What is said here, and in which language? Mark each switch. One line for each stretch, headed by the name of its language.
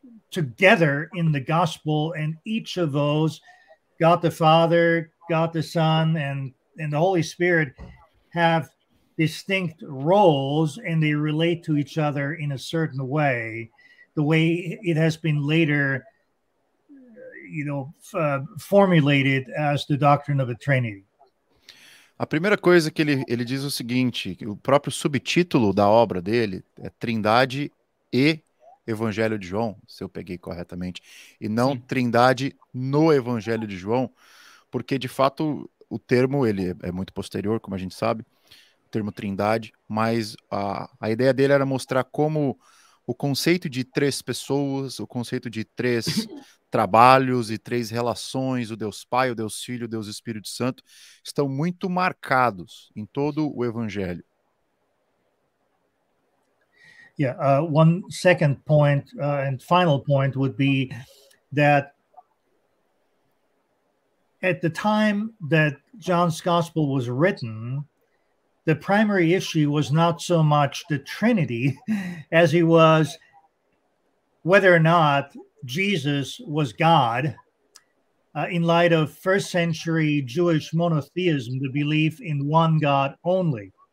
English: together in the gospel, and each of those, God the Father, God the Son, and the Holy Spirit, have distinct roles, and they relate to each other in a certain way, the way it has been later, you know, formulated as the doctrine of the Trinity.
Portuguese: A primeira coisa que ele diz é o seguinte, que o próprio subtítulo da obra dele é Trindade e Evangelho de João, se eu peguei corretamente, e não Sim. Trindade no Evangelho de João, porque, de fato, o termo ele é muito posterior, como a gente sabe, o termo Trindade, mas a ideia dele era mostrar como o conceito de três pessoas, o conceito de três trabalhos e três relações, o Deus Pai, o Deus Filho, o Deus Espírito Santo, estão muito marcados em todo o Evangelho.
English: Yeah, one second point and final point would be that at the time that John's Gospel was written, the primary issue was not so much the Trinity as it was whether or not Jesus was God, in light of first century Jewish monotheism, the belief in one God only.